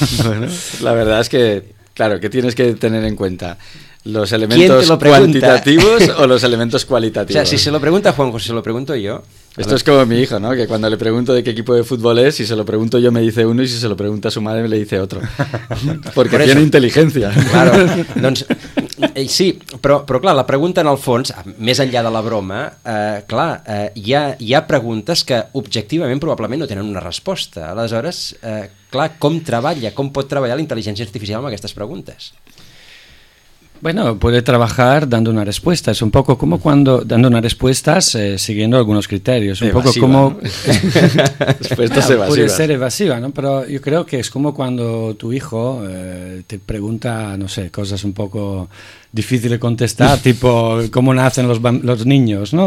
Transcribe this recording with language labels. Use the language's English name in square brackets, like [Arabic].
[Spanish] Bueno, la verdad es que, claro, ¿qué tienes que tener en cuenta? ¿Los elementos cuantitativos o los elementos cualitativos? O sea, si se lo pregunta Juanjo, si se lo pregunto yo... Esto es como mi hijo, ¿no? Que cuando le pregunto de qué equipo de fútbol es, si se lo pregunto yo me dice uno y si se lo pregunta a su madre me le dice otro. Porque tiene inteligencia. Claro, [Catalan] doncs, sí, però clar, la pregunta en el fons, més enllà de la broma, clar, hi ha preguntes que objectivament probablement no tenen una resposta. Aleshores, clar, com pot treballar la intel·ligència artificial amb aquestes preguntes? [Spanish] Bueno, puede trabajar dando una respuesta. Es un poco como cuando dando una respuesta siguiendo algunos criterios. Un evasiva, poco como respuestas evasivas. Puede ser evasiva, ¿no? Pero yo creo que es como cuando tu hijo te pregunta, no sé, cosas un poco difíciles de contestar, tipo cómo nacen los niños, ¿no?